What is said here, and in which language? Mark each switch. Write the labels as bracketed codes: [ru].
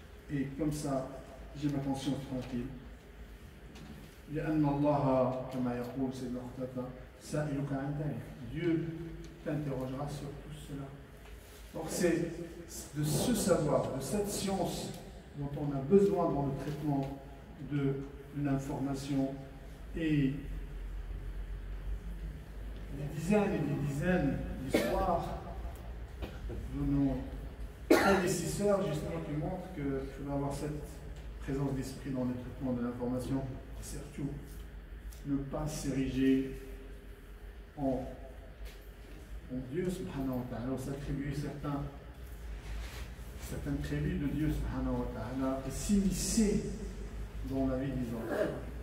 [fr] Et comme ça, j'ai ma conscience tranquille. [ar] لأن الله كما يقول سيدنا قتادة سائلك عن ذلك. [fr] Dieu t'interrogera sur tout cela. Donc c'est de ce savoir, de cette science dont on a besoin dans le traitement de l'information. Et des dizaines et des dizaines d'histoires de nos prédécesseurs, justement, qui montrent qu'il faut avoir cette présence d'esprit dans le traitement de l'information, surtout ne pas s'ériger en Dieu subhanahu wa ta'ala, s'attribuer certains crédits de Dieu subhanahu wa ta'ala, et s'immiscer dans la vie des autres.